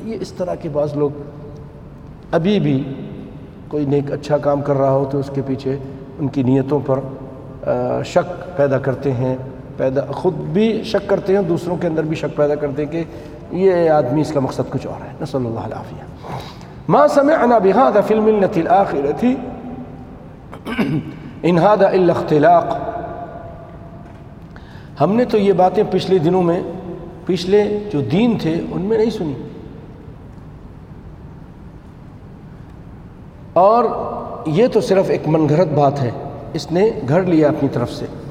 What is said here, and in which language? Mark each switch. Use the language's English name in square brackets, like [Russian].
[Urdu] یہ اس طرح کے بعض لوگ، ابھی بھی کوئی نیک اچھا کام کر رہا ہو تو اس کے پیچھے ان کی نیتوں پر شک پیدا کرتے ہیں، پیدا خود بھی شک کرتے ہیں، دوسروں کے اندر بھی شک پیدا کرتے ہیں کہ یہ آدمی، اس کا مقصد کچھ اور ہے. [Arabic] نسأل اللہ العافیہ. ما سمعنا بهذا في الملة الآخرة ان ھذا الا اختلاق. [Urdu] ہم نے تو یہ باتیں پچھلے دنوں میں، پچھلے جو دین تھے ان میں نہیں سنی. اور یہ تو صرف ایک من گھڑت بات ہے، اس نے گھڑ لیا اپنی طرف سے.